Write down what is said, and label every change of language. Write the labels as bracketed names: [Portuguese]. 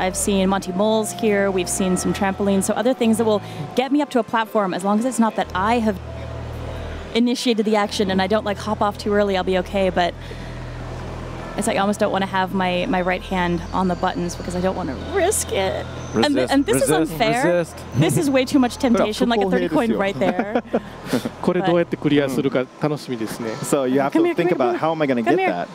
[English] I've seen Monty Moles here. We've seen some trampolines. So other things that will get me up to a platform, as long as it's not that I have initiated the action and I don't like hop off too early, I'll be okay. But it's like I almost don't want to have my right hand on the buttons because I don't want to risk it. Resist, and this resist, is unfair. Resist. This is way too much temptation, like a 30 coin right there. [Japanese] これどうやってクリアするか楽しみですね。 [English] So you have to think about how am I going to get that?